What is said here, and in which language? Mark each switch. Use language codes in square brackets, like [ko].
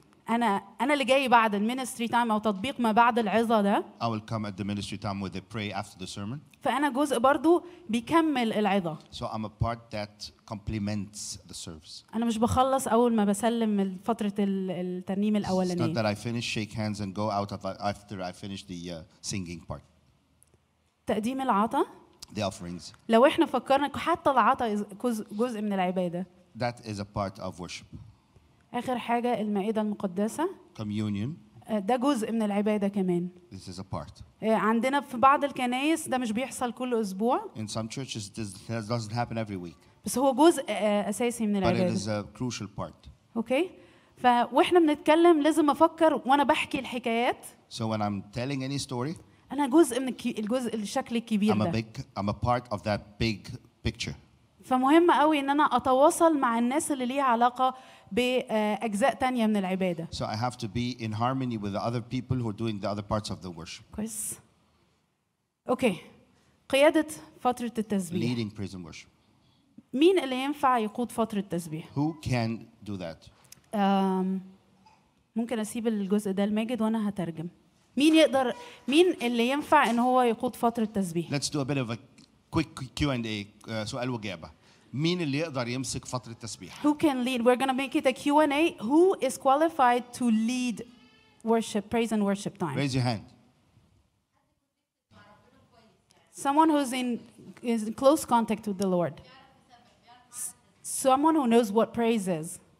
[ar] أنا اللي جاي بعد الministry time أو تطبيق ما بعد العظة ده. [en] I will come at the ministry time with a pray after the sermon. [ar] فأنا جزء برضو بيكمل العظة. [en] So I'm a part that complements the service. [ar] أنا مش بخلص أول ما بسلم فترة الترنيم الأولانية. [en] It's not that I finish, shake hands and go out after I finish the singing part. [ar] تقديم العطاء. [en] The offerings. [ar] لو إحنا فكرنا حتى العطاء جزء من العبادة. [en] That is a part of worship. [ar] آخر حاجة المائدة المقدسة. [en] Communion. [ar] ده جزء من العبادة كمان. [en] This is a part. [ar] عندنا في بعض الكنائس ده مش بيحصل كل أسبوع. [en] In some churches this doesn't happen every week. [ar] بس هو جزء أساسي من العبادة. [en] But it is a crucial part. Okay. [ar] فوإحنا بنتكلم لازم أفكر وأنا بحكي الحكايات. [en] So when I'm telling any story. [ar] أنا جزء من الجزء الشكل الكبير. [en] I'm a part of that big picture. [ar] فمهم قوي إن أنا أتواصل مع الناس اللي ليها علاقة بأجزاء تانية من العبادة. [en] So I have to be in harmony with the other people who are doing the other parts of the worship. [ar] كويس. أوكي. قيادة فترة التسبيح. [en] Leading praise and worship. [ar] مين اللي ينفع يقود فترة التسبيح؟ [en] Who can do that? [ar] ممكن أسيب الجزء ده لماجد وأنا هترجم. مين يقدر مين اللي ينفع إن هو يقود فترة التسبيح؟ [en] Let's do a bit of a quick Q&A [ar] سؤال وإجابة. مين اللي يقدر يمسك فترة التسبيح؟ [en] Who can lead? We're gonna make it a Q&A. Who is qualified to lead worship, praise and worship time? Raise your hand. Someone who's is in close contact with the Lord. Someone who knows what praise is.